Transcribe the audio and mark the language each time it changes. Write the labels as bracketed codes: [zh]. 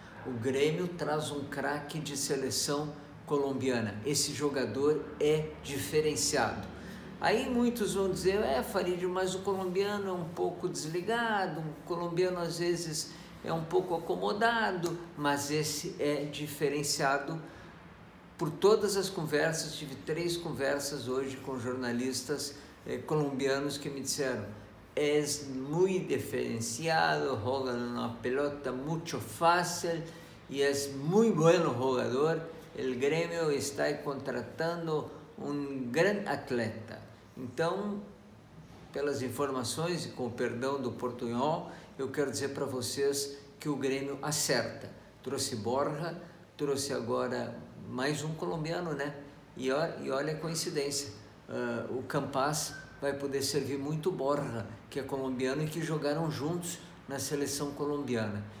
[pt] O Grêmio traz um craque de seleção colombiana. Esse jogador é diferenciado. Aí muitos vão dizer, Farid, mas o colombiano é um pouco desligado, o colombiano às vezes é um pouco acomodado, mas esse é diferenciado. Por todas as conversas, tive 3 conversas hoje com jornalistas colombianos que me disseram, [es] es muy diferenciado, joga una pelota mucho fácil y es muy bueno jugador. El Grêmio está contratando un gran atleta. [pt] Então, pelas informações e com o perdão do Portunhol, eu quero dizer para vocês que o Grêmio acerta. Trouxe Borja, trouxe agora mais um colombiano, né? E olha a coincidência, o Campaz vai poder servir muito Borja, que é colombiano e que jogaram juntos na seleção colombiana.